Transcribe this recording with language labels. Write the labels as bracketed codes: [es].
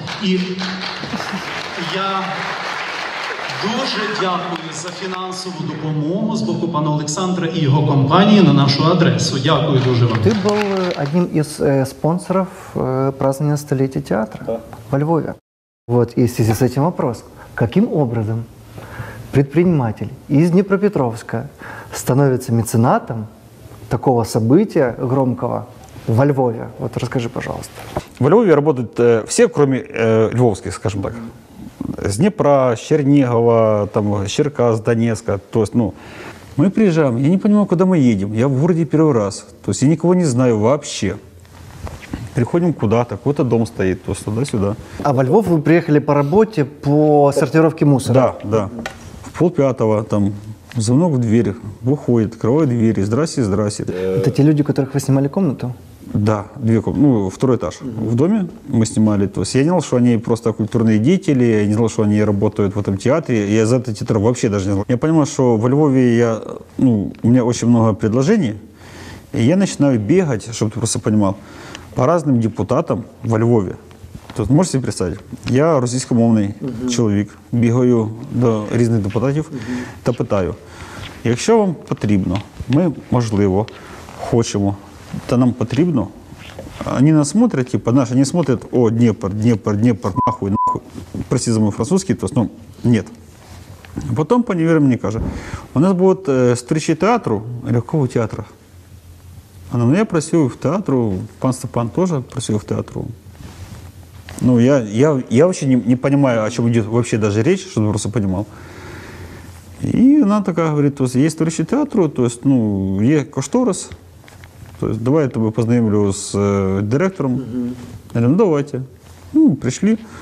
[uk] І я дуже дякую за фінансову допомогу з боку пана Олександра і його компанії на нашу адресу. Дякую дуже вам. Ти був одним із спонсорів празднення століття театру в Львові. От, і в связи з цим вопрос. [ru] Яким образом предприниматель из Днепропетровска становится меценатом такого события громкого во Львове? Вот расскажи, пожалуйста. Во Львове работают все, кроме львовских, скажем так. С Днепра, с Чернигова, там, с Черкас, Донецка. То есть, ну, мы приезжаем, я не понимаю, куда мы едем. Я в городе первый раз. То есть, я никого не знаю вообще. Приходим куда-то, какой-то дом стоит, то сюда-сюда. А во Львов вы приехали по работе, по сортировке мусора? Да, да. Полпятого, там, звонок в дверь, выходит, открывает двери, здрасте, здрасте. Это те люди, у которых вы снимали комнату? Да, две комнаты, ну, второй этаж в доме мы снимали. То есть я не знал, что они просто культурные деятели, я не знал, что они работают в этом театре, я за этот театр вообще даже не знал. Я понимал, что во Львове я, ну, у меня очень много предложений, и я начинаю бегать, чтобы ты просто понимал, по разным депутатам во Львове. [uk] Тут можете себе представить, я російськомовний чоловік, бігаю до різних депутатів та питаю, якщо вам потрібно, ми, можливо, хочемо, та нам потрібно, вони нас смотрять, типу, знаєш, вони смотрять, о, Дніпр, Дніпр, Дніпр, нахуй, нахуй, прості за мій французький, то, ну, ні. Потім пані Віра мені каже, у нас буде зустріча театру, легкого театру. Вона, ну, я працюю в театру, пан Степан теж працює в театру. [ru] Ну, я вообще не понимаю, о чем идет вообще даже речь, чтобы просто понимал. И она такая говорит, то есть есть товарищи театру, то есть, ну, есть кошторис, то есть давай я тебя познакомлю с директором. Я говорю, ну, давайте. Ну, пришли.